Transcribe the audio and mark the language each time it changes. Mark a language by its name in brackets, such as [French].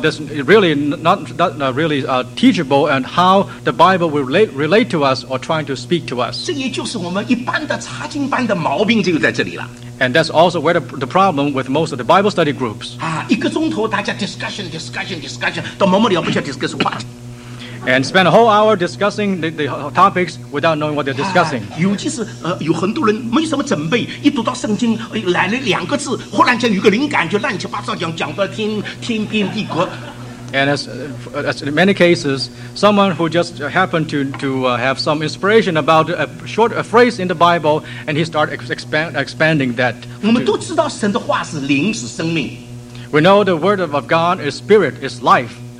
[English] this really not really teachable, and how the Bible will relate to us or trying to speak to us. [Chinese] 这也就是我们一般的查经班的毛病就在这里了。 [English] And that's also where the problem with most of the Bible study groups. [Chinese] 一个钟头大家 [English] discussion， [Chinese] 到某某里要不要 [English] discuss [Chinese] 话题。 [English] And spend a whole hour discussing the topics without knowing what they're discussing. [Chinese] 尤其是有很多人没什么准备，一读到圣经来了两个字，忽然间有个灵感，就乱七八糟讲到天边地阔。 [English] And as in many cases, someone who just happened to have some inspiration about a short phrase in the Bible, and he started expanding that. [Chinese] 我们都知道神的话是灵，是生命。 [English] We know the word of God is spirit, is life.